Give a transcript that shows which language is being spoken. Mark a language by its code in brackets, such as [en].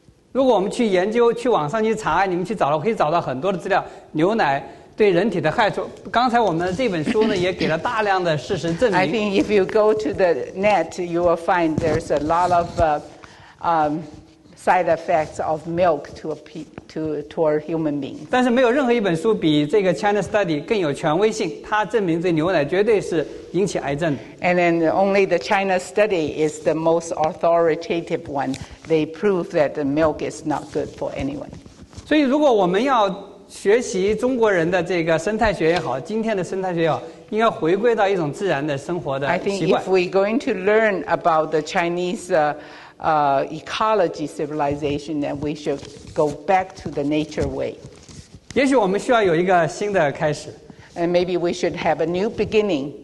[zh] 如果我们去研究，去网上去查，你们去找了，可以找到很多的资料，牛奶。对人体的害处，刚才我们这本书呢也给了大量的事实证明。 [en] I think if you go to the net, you will find there's a lot of side effects of milk toward human beings. [zh] 但是没有任何一本书比这个 China Study 更有权威性，它证明这牛奶绝对是引起癌症的。 [en] And then only the China Study is the most authoritative one. They prove that the milk is not good for anyone. [zh] 所以如果我们要学习中国人的这个生态学也好，今天的生态学也好，应该回归到一种自然的生活的习惯。 [en] I think if we're going to learn about the Chinese ecology civilization, then we should go back to the nature way. [zh] 也许我们需要有一个新的开始。 [en] And maybe we should have a new beginning.